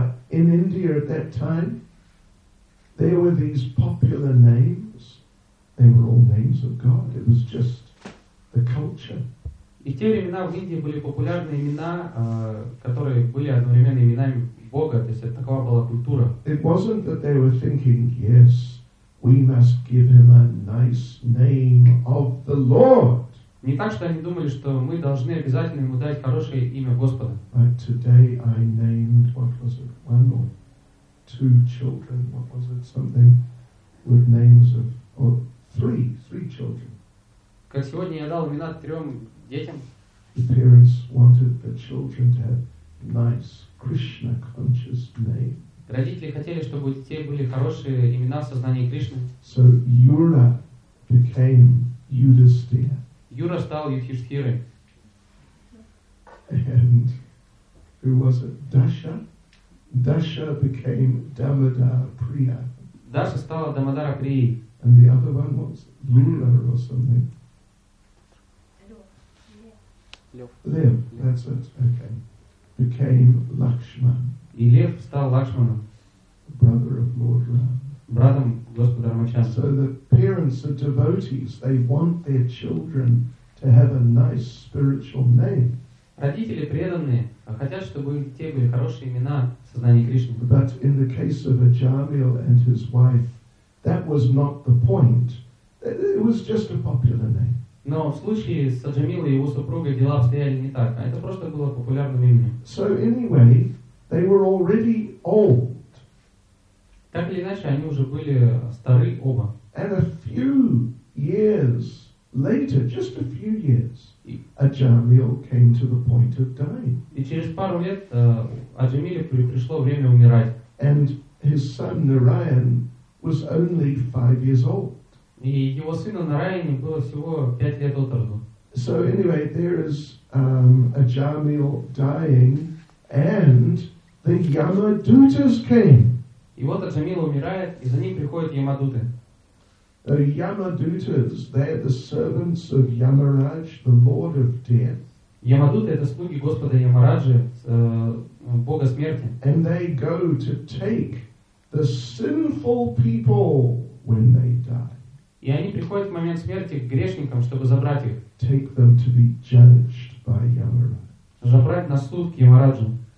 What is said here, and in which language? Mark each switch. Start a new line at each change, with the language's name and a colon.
English: In India at that time, there were these popular names. They were all names of God. It was just the culture.
Russian: И в те времена в Индии были популярные имена, которые были одновременно именами Бога, то есть это такова была культура.
English: It wasn't that they were thinking, yes, we must give him a nice name of the Lord.
Russian: Не так, что они думали, что мы должны обязательно ему дать хорошее имя Господа.
English: But today I named, what was it, one or two children, what was it, something with names of, or three children.
Russian: Как сегодня я дал имена трем детям.
English: The parents wanted the children to have nice Krishna conscious name.
Russian: Родители хотели, чтобы у детей были хорошие имена в сознании Кришны.
English: So Yura became Yudhisthira.
Russian: Юра стал Юдхиштхирой.
English: And who was it? Dasha. Dasha became Damodara Priya.
Russian: Даша стала Дамодара Прией.
English: And the other one was Lula or something. Lev, that's it, okay. Became Lakshman.
Russian: И Лев стал Лакшманом.
English: Brother of Lord Ram.
Russian: Братом Господа Рамачандры.
English: So the parents are devotees. They want their children to have a nice spiritual name.
Russian: Родители преданные хотят, чтобы у детей были хорошие имена в сознании Кришны.
English: But in the case of Ajamil and his wife, that was not the point. It was just a popular name.
Russian: Но в случае с Аджамилой и его супругой дела обстояли не так, а это просто было популярным именем.
English: So anyway, they were already old.
Russian: Так или иначе, они уже были стары оба.
English: And a few years later, just a few years, Аджамил came to the point of dying.
Russian: И через пару лет Аджамиле пришло время умирать.
English: And his son Narayan was only 5 years old.
Russian: И его сыну Нараяне было всего 5 лет от роду.
English: So anyway, there is Ajamil dying, and the Yamadutas came.
Russian: И вот Ajamil умирает, и за ним приходят Ямадуты.
English: The Yamadutas, they are the servants of Yamaraj, the Lord of Death.
Russian: Ямадуты это слуги Господа Ямараджи, Бога Смерти.
English: And they go to take the sinful people when they die.
Russian: И они приходят в момент смерти к грешникам, чтобы забрать их.
English: Take them to be judged by Yamaraj.
Russian: Забрать на суд к Ямараджу.